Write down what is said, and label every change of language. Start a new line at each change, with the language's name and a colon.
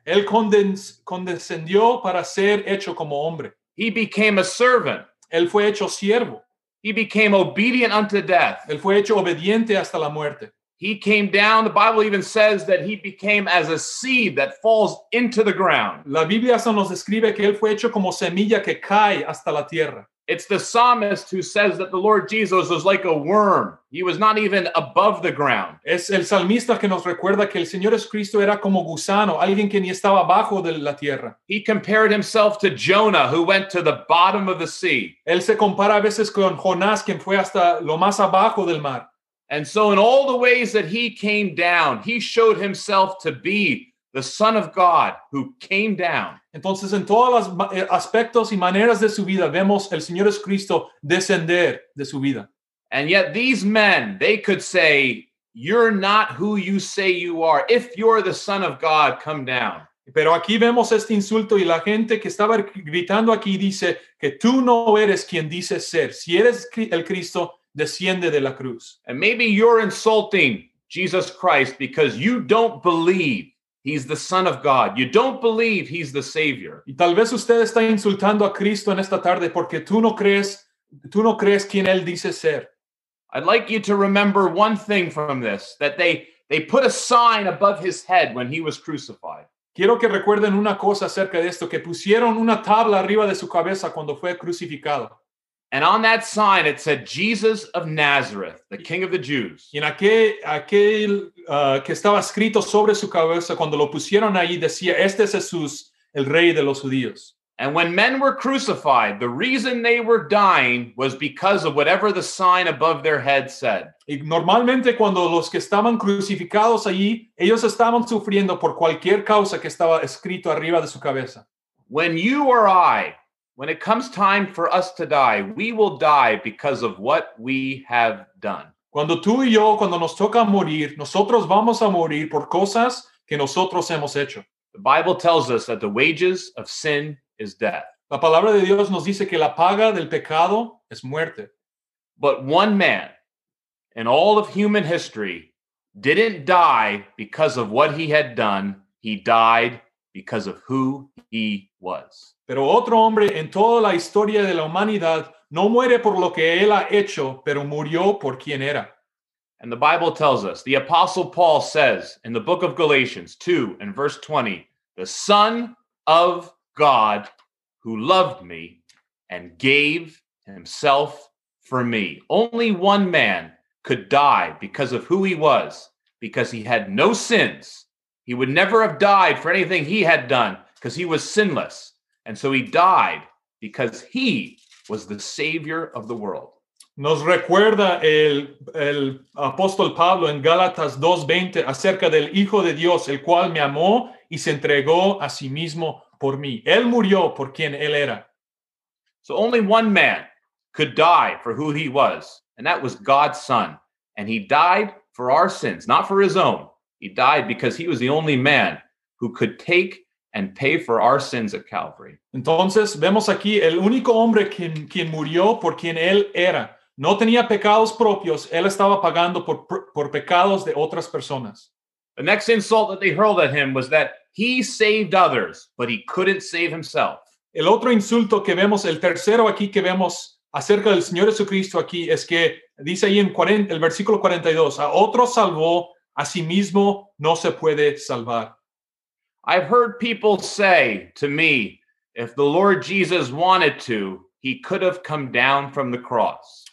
Spanish: Él condescendió para ser hecho como hombre.
English: He became a servant.
Spanish: Él fue hecho siervo.
English: He became obedient unto death.
Spanish: Él fue hecho obediente hasta la muerte.
English: He came down. The Bible even says that he became as a seed that falls into the ground.
Spanish: La Biblia nos describe que él fue hecho como semilla que cae hasta la tierra.
English: It's the psalmist who says that the Lord Jesus was like a worm. He was not even above the ground.
Spanish: Es el salmista que nos recuerda que el Señor Jesucristo era como gusano, alguien que ni estaba abajo de la tierra.
English: He compared himself to Jonah, who went to the bottom of the sea.
Spanish: Él se compara a veces con Jonás, quien fue hasta lo más abajo del mar.
English: And so in all the ways that he came down, he showed himself to be the Son of God who came down.
Spanish: Entonces, en todos los aspectos y maneras de su vida, vemos el Señor Jesucristo descender de su vida.
English: And yet these men, they could say, you're not who you say you are. If you're the Son of God, come down.
Spanish: Pero aquí vemos este insulto y la gente que estaba gritando aquí dice que tú no eres quien dices ser. Si eres el Cristo, desciende de la cruz.
English: And maybe you're insulting Jesus Christ because you don't believe he's the Son of God. You don't believe he's the Savior.
Spanish: Y tal vez usted está insultando a Cristo en esta tarde porque tú no crees quien él dice ser.
English: I'd like you to remember one thing from this, that they put a sign above his head when he was crucified.
Spanish: Quiero que recuerden una cosa acerca de esto, que pusieron una tabla arriba de su cabeza cuando fue crucificado.
English: And on that sign, it said, Jesus of Nazareth, the King of the Jews.
Spanish: Y en aquel que estaba escrito sobre su cabeza, cuando lo pusieron ahí, decía, este es Jesús, el Rey de los Judíos.
English: And when men were crucified, the reason they were dying was because of whatever the sign above their head said.
Spanish: Y normalmente, cuando los que estaban crucificados allí, ellos estaban sufriendo por cualquier causa que estaba escrito arriba de su cabeza.
English: When you or I... When it comes time for us to die, we will die because of what we have done.
Spanish: Cuando tú y yo, cuando nos toca morir, nosotros vamos a morir por cosas que nosotros hemos hecho.
English: The Bible tells us that the wages of sin is death.
Spanish: La palabra de Dios nos dice que la paga del pecado es muerte.
English: But one man in all of human history didn't die because of what he had done. He died because of who he was.
Spanish: Pero otro hombre en toda la historia de la humanidad no muere por lo que él ha hecho, pero murió por quien era.
English: And the Bible tells us, the Apostle Paul says in the book of Galatians 2 and verse 20, the Son of God who loved me and gave himself for me. Only one man could die because of who he was, because he had no sins. He would never have died for anything he had done because he was sinless. And so he died because he was the savior of the world.
Spanish: Nos recuerda el apóstol Pablo en Gálatas 2:20 acerca del Hijo de Dios, el cual me amó y se entregó a sí mismo por mí. Él murió por quien él era.
English: So only one man could die for who he was, and that was God's Son. And he died for our sins, not for his own. He died because he was the only man who could take and pay for our sins at Calvary.
Spanish: Entonces, vemos aquí el único hombre quien murió por quien él era. No tenía pecados propios, él estaba pagando por pecados de otras personas.
English: The next insult that they hurled at him was that he saved others, but he couldn't save himself.
Spanish: El otro insulto que vemos, el tercero aquí que vemos acerca del Señor Jesucristo aquí, es que dice ahí en el versículo 42, a otro salvó, a sí mismo no se puede salvar.
English: I've heard people say to me, if the Lord Jesus wanted to, he could have come down from the cross.